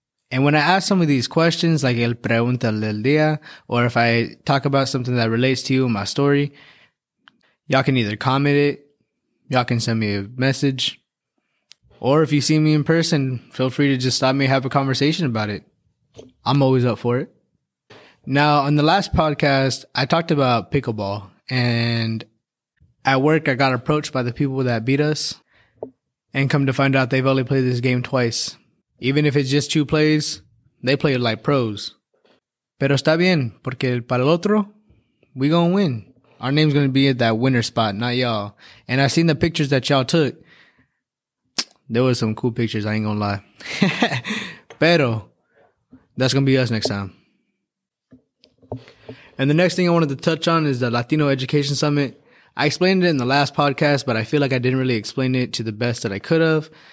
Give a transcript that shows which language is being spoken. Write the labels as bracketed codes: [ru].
[en] And when I ask some of these questions, like [es] el pregunta del día, [en] or if I talk about something that relates to you in my story, y'all can either comment it, y'all can send me a message, or if you see me in person, feel free to just stop me and have a conversation about it. I'm always up for it. Now, on the last podcast, I talked about pickleball, and at work, I got approached by the people that beat us, and come to find out they've only played this game twice. Even if it's just two plays, they play it like pros. [es] Pero está bien, porque para el otro, [en] we gonna win. Our name's going to be at that winner spot, not y'all. And I seen the pictures that y'all took. There was some cool pictures, I ain't going to lie. Pero, that's going to be us next time. And the next thing I wanted to touch on is the Latino Education Summit. I explained it in the last podcast, but I feel like I didn't really explain it to the best that I could have.